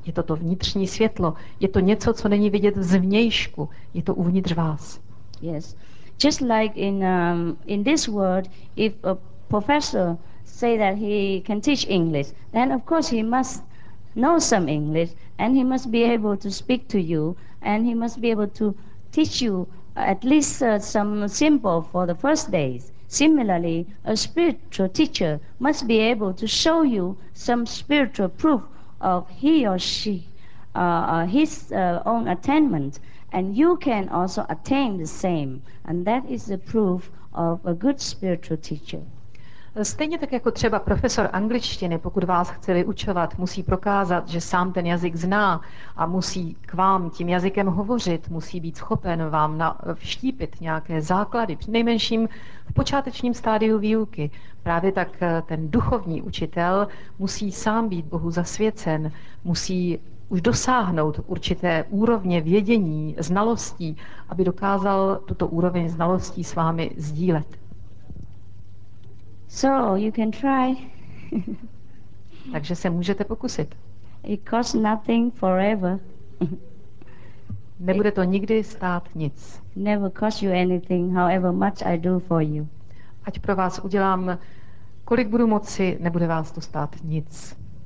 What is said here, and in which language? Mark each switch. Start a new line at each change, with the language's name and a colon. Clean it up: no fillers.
Czech: Je to to vnitřní světlo. Je to něco, co není vidět zvnějšku. Je to uvnitř vás.
English: Yes. Just like in this world, if a professor say that he can teach English, then of course he must know some English, and he must be able to speak to you, and he must be able to teach you at least some simple for the first days. Similarly, a spiritual teacher must be able to show you some spiritual proof of he or she, his own attainment, and you can also attain the same, and that is the proof of a good spiritual teacher.
Czech: Stejně tak jako třeba profesor angličtiny, pokud vás chce vyučovat, musí prokázat, že sám ten jazyk zná a musí k vám tím jazykem hovořit, musí být schopen vám vštípit nějaké základy, nejmenším v počátečním stádiu výuky. Právě tak ten duchovní učitel musí sám být Bohu zasvěcen, musí už dosáhnout určité úrovně vědění, znalostí, aby dokázal tuto úroveň znalostí s vámi sdílet.
English: So you can try.
Czech: Takže se můžete pokusit.
English: It costs nothing forever.
Czech: Nebude to nikdy stát nic.
English: Never cost you anything, however much I do for you.
Czech: Ať pro vás udělám, kolik budu moci, nebude vás to stát nic.